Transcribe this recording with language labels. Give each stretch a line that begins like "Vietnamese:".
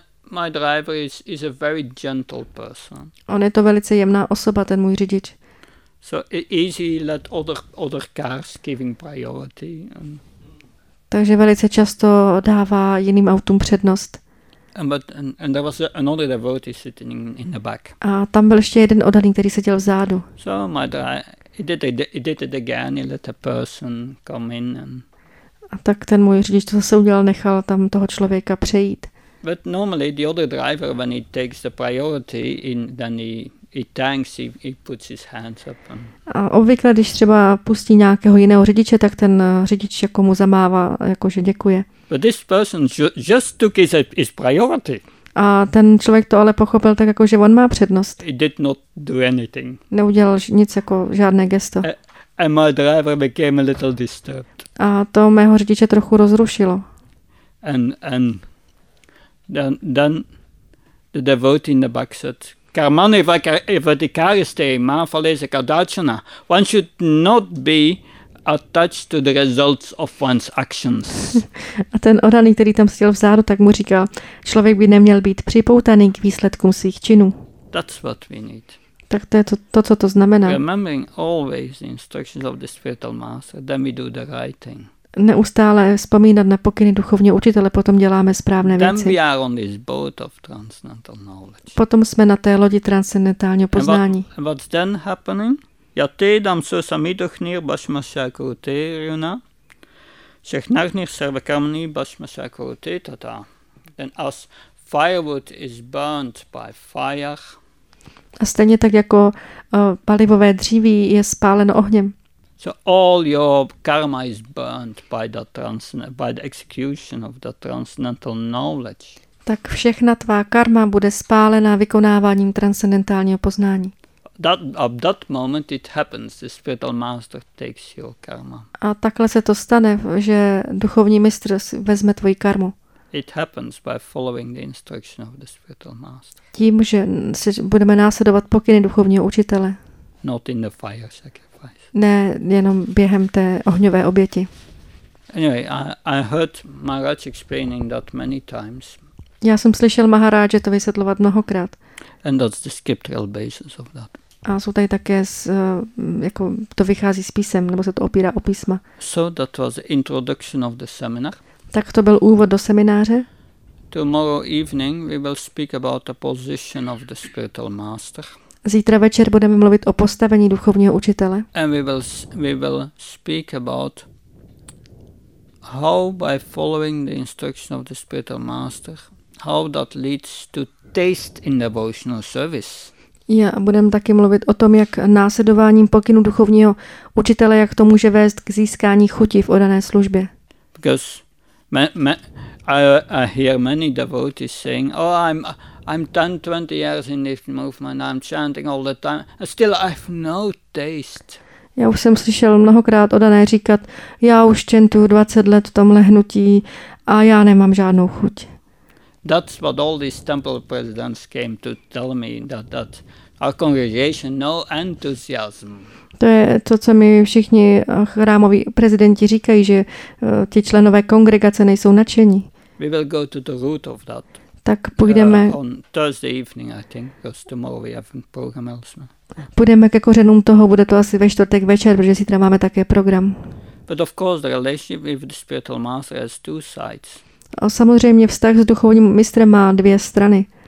English: My driver is a very gentle person.
Czech: On je to velice jemná osoba, ten můj řidič.
English: So easy let other cars giving priority.
Czech: Takže velice často dává jiným autům přednost.
English: And there was another devotee sitting in the back.
Czech: A tam byl ještě jeden odaný, který seděl vzadu.
English: So my he did it again. He let a person come in. And
Czech: a tak ten můj řidič to zase udělal, nechal tam toho člověka přejít.
English: But normally the other driver, when he takes the priority, he thanks, he puts his hands up. And
Czech: a obvykle, když třeba pustí nějakého jiného řidiče, tak ten řidič jako mu zamává, jakože děkuje.
English: But this person just took his priority.
Czech: A ten člověk to ale pochopil tak, jako že on má přednost.
English: He did not do anything.
Czech: Neudělal nic, jako žádné gesto.
English: And my driver became a little disturbed.
Czech: A to mého řidiče trochu rozrušilo.
English: And then the devotee in the back said,
Sanskrit: Karmani vatikariste mahafaleza kadachana.
English: One should not be attached to the results of one's actions.
Czech: A ten odaný, který tam seděl vzadu, tak mu říkal, člověk by neměl být připoutaný k výsledkům svých činů.
English: That's what we need.
Czech: Tak to je to, co to znamená.
English: Remembering always the instructions of the spiritual master, then we do the right thing.
Czech: Neustále vzpomínat na pokyny duchovního učitele, potom děláme správné věci.
English: Then we are on this boat of transcendental knowledge.
Czech: Potom jsme na té lodi transcendentálního poznání.
English: And what's then happening?
Sanskrit: Yatedam so samidochnir bashmasya krute runa. Shechnachnir sarvakamni bashmasya krute tata.
English: Then as firewood is burnt by fire.
Czech: A stejně tak jako palivové dříví je spáleno ohněm.
English: So all your karma is burnt by the execution of the transcendental knowledge.
Czech: Tak všechna tvá karma bude spálená vykonáváním transcendentálního poznání.
English: That at that moment it happens, the spiritual master takes your karma.
Czech: A takhle se to stane, že duchovní mistr vezme tvoji karmu.
English: It happens by following the instruction of the spiritual master.
Czech: Tím, že si budeme následovat pokyny duchovního učitele.
English: Not in the fire sacrifice.
Czech: Ne, jenom během té ohňové oběti.
English: Anyway, I heard Maharaj explaining that many times.
Czech: Já jsem slyšel Maharaj, že to vysvětlovat mnohokrát.
English: And that's the scriptural basis of that.
Czech: A jsou tady také, jako to vychází z písem, nebo se to opírá o písma.
English: So that was the introduction of the seminar.
Czech: Tak to byl úvod do semináře.
English: Tomorrow evening we will speak about the position of the spiritual master.
Czech: Zítra večer budeme mluvit o postavení duchovního učitele.
English: And we will speak about how by following the instruction of the spiritual master, how that leads to taste in devotional service.
Czech: Já budem taky mluvit o tom, jak následováním pokynu duchovního učitele, jak to může vést k získání chuti v odané službě.
English: Because I hear many devotees saying, oh, I'm 10, 20 years in this movement, I'm chanting all the time, and still I have no taste.
Czech: Já už jsem slyšel mnohokrát odané říkat, já už čentu 20 let v tomhle hnutí a já nemám žádnou chuť.
English: That's what all these temple presidents came to tell me, that our congregation no enthusiasm.
Czech: To je to, co mi všichni chrámoví prezidenti říkají, že ti členové kongregace nejsou nadšení.
English: We will go to the root of that.
Czech: Tak půjdeme.
English: On Thursday evening, I think, because tomorrow we have a program elsewhere.
Czech: Půjdeme ke kořenům toho, bude to asi ve čtvrtek večer, protože zítra máme také program.
English: But of course the relationship with the spiritual master has two sides.
Czech: A samozřejmě vztah s duchovním mistrem má dvě strany.